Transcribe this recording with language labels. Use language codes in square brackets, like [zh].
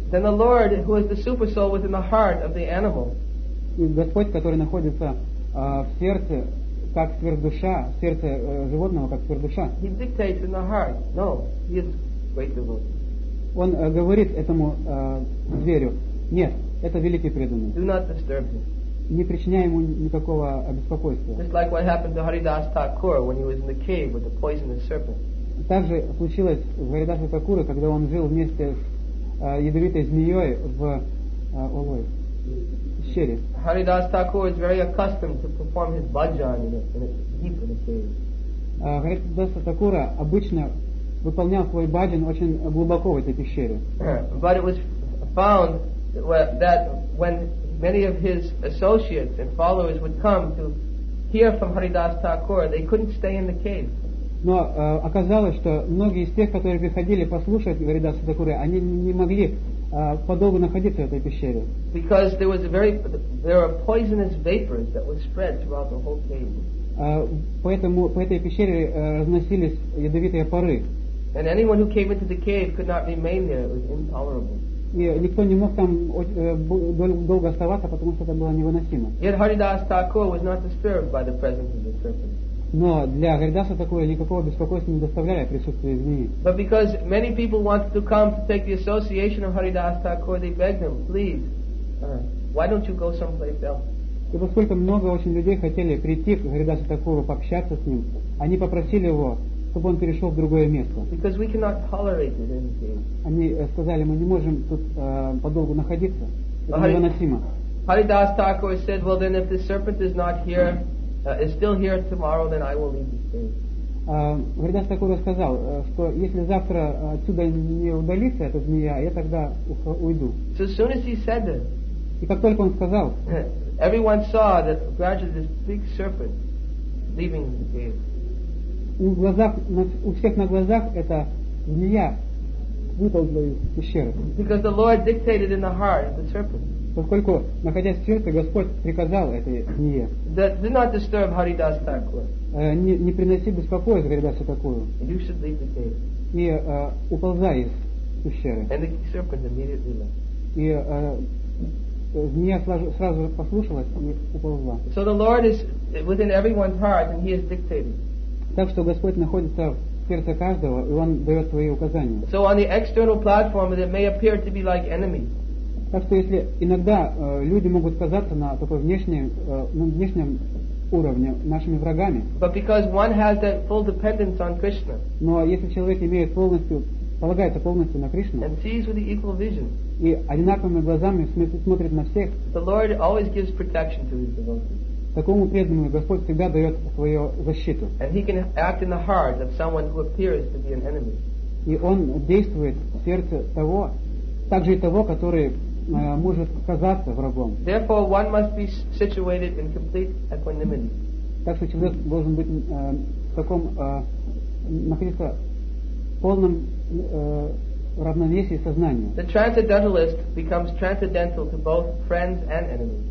[en] then the Lord, who is the super soul within the heart of the animal, [ru] и Господь, который находится в сердце, как сверхдуша, сердце животного, как сверхдуша. [en] He dictates in the heart. No, he is great devotee. [ru] Он говорит этому зверю: нет, это великий преданный. [en] Do not disturb him. [ru] не причиняем ему никакого беспокойства. [en] Just like what happened to Haridas Thakur when he was in the cave with the poisonous serpent. [ru] Также случилось в Haridasa Thakura, когда он жил вместе с ядовитой змеей в Олой. [en] Haridas Thakur is very accustomed to perform his bhajan deep in the cave. [ru] Haridasa Thakura обычно выполнял свой баджан очень глубоко в этой пещере. [en] But it was found that when many of his associates and followers would come to hear from Haridas Thakur, they couldn't stay in the cave. [ru] Но оказалось, что многие из тех, которые приходили послушать Haridasa Thakura, они не могли подолгу находиться в этой пещере. [en] Because there was a very, there were poisonous vapors that were spread throughout the whole cave. [ru] Поэтому по этой пещере разносились ядовитые пары. [en] And anyone who came into the cave could not remain there; it was intolerable. [ru] И никто не мог там долго оставаться, потому что это было невыносимо. [en] Yet Haridas Thakur was not disturbed by the presence of the serpent. [ru] Но для Haridasa Thakura никакого беспокойства не доставляли присутствие змеи. [en] But because many people wanted to come to take the association of Haridas Thakur, they begged him, please, why don't you go someplace else? [ru] И поскольку много очень людей хотели прийти к Haridasa Thakuru, пообщаться с ним, они попросили его, чтобы он перешел в другое место. [en] Because we cannot tolerate it anymore. [ru] Они сказали, мы не можем тут подолгу находиться. Это невыносимо. [en] Haridas Thakur said, well then, if the serpent is not here, is still here tomorrow, then I will leave the cave. [ru] Haridas Thakur сказал, что если завтра отсюда не удалится эта змея, я тогда уйду. [en] So as soon as he said that, [ru] и как только он сказал, [en] everyone saw that gradually this big serpent leaving the cave. [ru] У всех на глазах эта змея выползла из пещеры. [en] Because the Lord dictated in the heart of the serpent. [ru] Поскольку, находясь в сердце, Господь приказал этой змее. [en] That did not disturb Haridas Thakur. [ru] Не приноси беспокойство Haridasa Thakuru. [en] You should leave the cave. [ru] И уползай из пещеры. [en] And the serpent immediately left. [ru] И змея сразу послушалась и уползла. [en] So the Lord is within everyone's heart and he is dictating. [ru] Так что Господь находится в сердце каждого, и Он дает свои указания. [en] So on the external platform, it may appear to be like enemies. [ru] Так что если иногда люди могут казаться на такой внешнем уровне нашими врагами. [en] But because one has that full dependence on Krishna. [ru] Но если человек имеет полностью, полагается полностью на Кришну. [en] And sees with the equal vision. [ru] И одинаковыми глазами смотрит на всех. [en] The Lord always gives protection to his devotees. [ru] Такому преданному Господь всегда дает свою защиту. [en] And he can act in the heart of someone who appears to be an enemy. [ru] И он действует в сердце того, также и того, который может казаться врагом. [en] Therefore, one must be situated in complete equanimity. [ru] Так что человек должен быть в таком находиться в полном равновесии сознания. [en] The transcendentalist becomes transcendental to both friends and enemies.